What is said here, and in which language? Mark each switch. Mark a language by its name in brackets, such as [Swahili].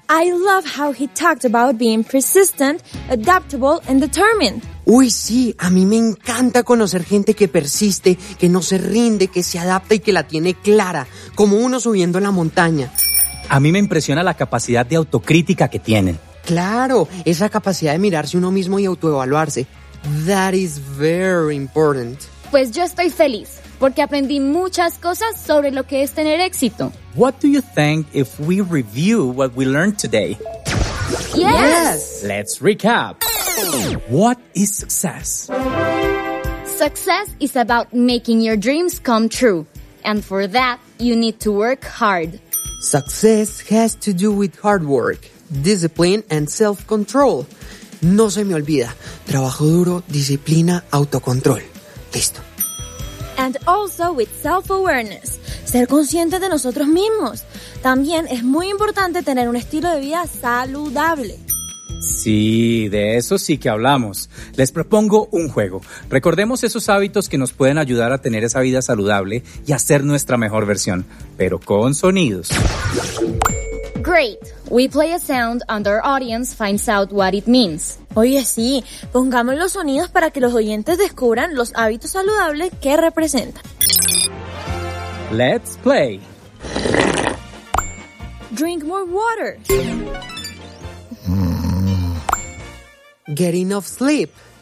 [English] I love how he talked about being persistent, adaptable, and determined. [Spanish] Uy, sí, a mí me encanta conocer gente que persiste, que no se rinde, que se adapta y que la tiene clara, como uno subiendo la montaña. A mí me impresiona la capacidad de autocrítica que tienen. Claro, esa capacidad de mirarse uno mismo y autoevaluarse. [English] That is very important. [Spanish] Pues yo estoy feliz, porque aprendí muchas cosas sobre lo que es tener éxito. [English] What do you think if we review what we learned today? Yes! Let's recap. What is success? Success is about making your dreams come true. And for that, you need to work hard. Success has to do with hard work, discipline, and self-control. [Spanish] No se me olvida. Trabajo duro, disciplina, autocontrol. Listo. [English] And also with self-awareness. [Spanish] Ser consciente de nosotros mismos. También es muy importante tener un estilo de vida saludable. Sí, de eso sí que hablamos. Les propongo un juego. Recordemos esos hábitos que nos pueden ayudar a tener esa vida saludable y a ser nuestra mejor versión, pero con sonidos. [English] Great. We play a sound and our audience finds out what it means. [Spanish] Oye, sí. Pongamos los sonidos para que los oyentes descubran los hábitos saludables que representan. [English] Let's play. Drink more water. Get enough sleep.